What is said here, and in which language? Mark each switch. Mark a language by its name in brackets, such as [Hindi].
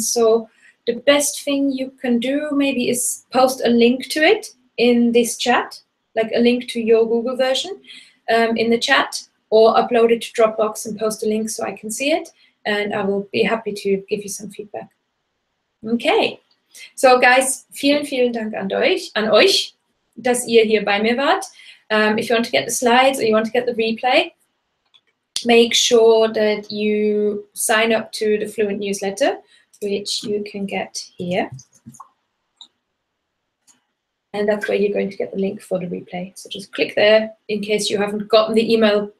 [English] So the best thing you can do maybe is post a link to it in this chat, like a link to your Google version in the chat, or upload it to Dropbox and post a link so I can see it, and I will be happy to give you some feedback. Okay, so guys, [German] vielen, vielen Dank an euch, dass ihr hier bei mir wart. [English] If you want to get the slides or you want to get the replay, make sure that you sign up to the Fluent newsletter, which you can get here. And that's where you're going to get the link for the replay. So just click there in case you haven't gotten the email.